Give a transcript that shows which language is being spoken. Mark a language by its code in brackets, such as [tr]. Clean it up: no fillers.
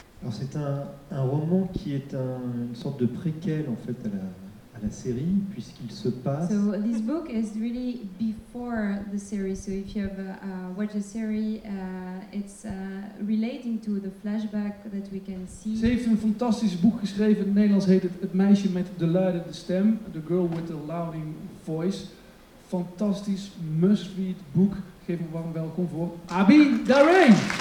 [fr] c'est un roman qui est une sorte de préquel en fait à la série puisqu'il se passe. [en] So this book is really before the series. So if you have watched the series, it's relating to the flashback that we can see. [nl] Ze heeft een fantastisch boek geschreven. In het Nederlands heet het Het meisje met de luide stem, The Girl with the Louding Voice. Fantastisch must-read boek. Geef een warm welkom voor Abi Daré.